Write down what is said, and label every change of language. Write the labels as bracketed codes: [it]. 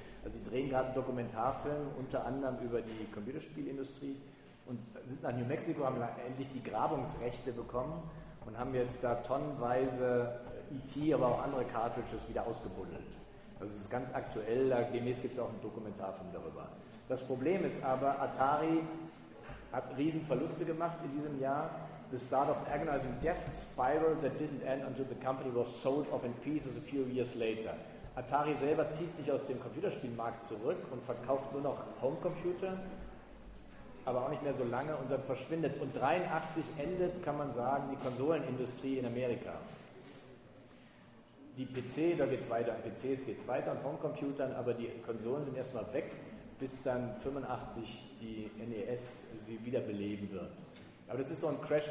[de] Also sie drehen gerade einen Dokumentarfilm, unter anderem über die Computerspielindustrie und sind nach New Mexico, haben endlich die Grabungsrechte bekommen und haben jetzt da tonnenweise E.T., aber auch andere Cartridges wieder ausgebuddelt. Also es ist ganz aktuell, demnächst gibt es auch einen Dokumentarfilm darüber. Das Problem ist aber, Atari hat riesen Verluste gemacht in diesem Jahr. [en] The start of agonizing death spiral that didn't end until the company was sold off in pieces a few years later. [de] Atari selber zieht sich aus dem Computerspielmarkt zurück und verkauft nur noch Homecomputer, aber auch nicht mehr so lange und dann verschwindet es. Und 83 endet, kann man sagen, die Konsolenindustrie in Amerika. Die PC, da geht es weiter, an PCs geht es weiter, an Homecomputern, aber die Konsolen sind erstmal weg, bis dann 85 die NES sie wiederbeleben wird. Aber das ist so ein Crash.